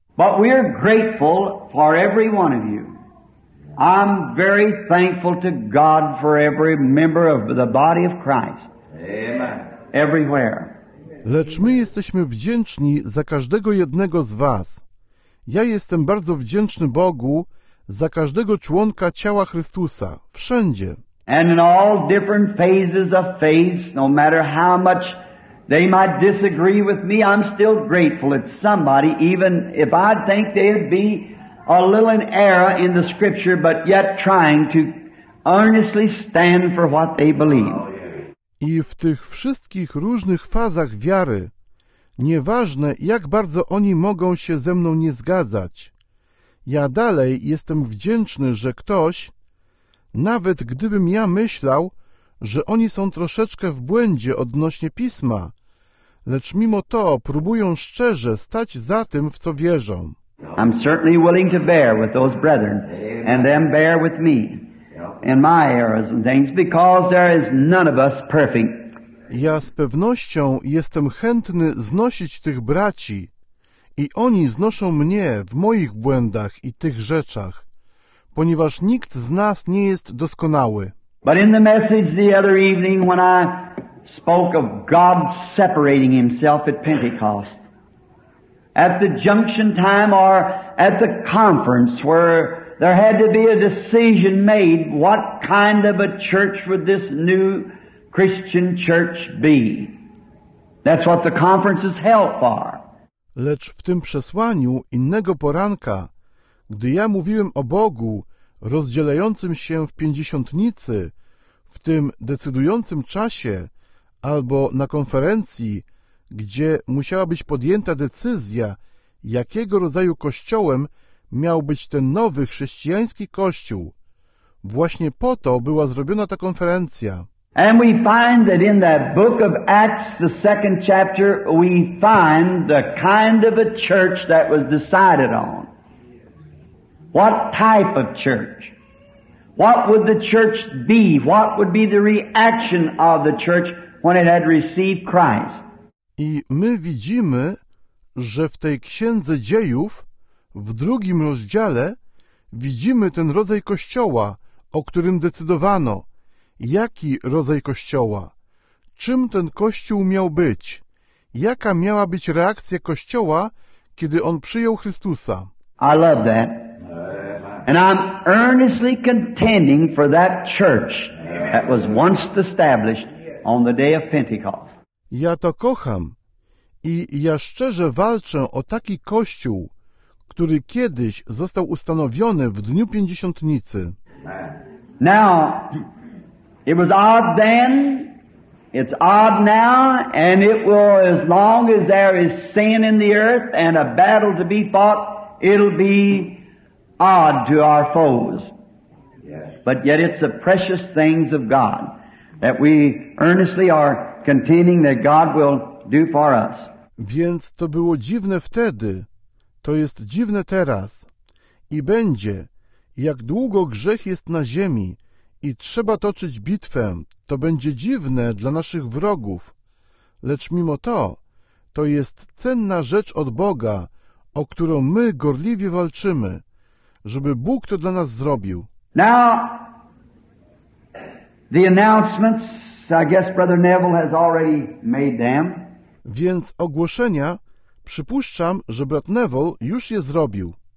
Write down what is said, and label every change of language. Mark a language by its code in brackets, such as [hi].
[en] But we are grateful for every one of you. I'm very thankful to God for every member of the body of Christ. Amen. Everywhere. [pl] Lecz my jesteśmy wdzięczni za każdego jednego z was. Ja jestem bardzo wdzięczny Bogu za każdego członka ciała Chrystusa, wszędzie. [en] And in all different phases of faith, no matter how much they might disagree with me, I'm still grateful it's somebody, even if I think they'd be a little in error in the scripture, but yet trying to earnestly stand for what they believe. [pl] I w tych wszystkich różnych fazach wiary, nieważne jak bardzo oni mogą się ze mną nie zgadzać, ja dalej jestem wdzięczny, że ktoś, nawet gdybym ja myślał, że oni są troszeczkę w błędzie odnośnie Pisma, lecz mimo to próbują szczerze stać za tym, w co wierzą. [en] I'm certainly willing to bear with those brethren and them bear with me and my errors and things, because there is none of us perfect. [pl] Ja z pewnością jestem chętny znosić tych braci I oni znoszą mnie w moich błędach i tych rzeczach, ponieważ nikt z nas nie jest doskonały. [en] But in the message the other evening when I spoke of God separating himself at Pentecost, at the junction time or at the conference where there had to be a decision made, what kind of a church would this new Christian church be? That's what the conference is held for. [pl] Lecz w tym przesłaniu innego poranka, gdy ja mówiłem o Bogu rozdzielającym się w Pięćdziesiątnicy, w tym decydującym czasie, albo na konferencji, gdzie musiała być podjęta decyzja, jakiego rodzaju kościołem miał być ten nowy chrześcijański kościół. Właśnie po to była zrobiona ta konferencja. [en] And we find that in that book of Acts, the second chapter, we find the kind of a church that was decided on. What type of church? What would the church be? What would be the reaction of the church when it had received Christ? [pl] I my widzimy, że w tej Księdze Dziejów, w drugim rozdziale, widzimy ten rodzaj kościoła, o którym decydowano. Jaki rodzaj kościoła? Czym ten kościół miał być? Jaka miała być reakcja kościoła, kiedy on przyjął Chrystusa? [en] I love that. And I'm earnestly contending for that church that was once established on the day of Pentecost. [pl] Ja to kocham i ja szczerze walczę o taki kościół, który kiedyś został ustanowiony w dniu Pięćdziesiątnicy. [en] Now, it was odd then, it's odd now, and it will, as long as there is sin in the earth and a battle to be fought, it'll be odd to our foes. But yet it's the precious things of God that we earnestly are contending that God will do for us. [pl] Więc to było dziwne wtedy, to jest dziwne teraz i będzie, jak długo grzech jest na ziemi i trzeba toczyć bitwę, to będzie dziwne dla naszych wrogów, lecz mimo to, to jest cenna rzecz od Boga, o którą my gorliwie walczymy, żeby Bóg to dla nas zrobił. [en] Now, the announcements, I guess Brother Neville has already made them. [pl] Więc ogłoszenia, przypuszczam, że brat Neville już je zrobił.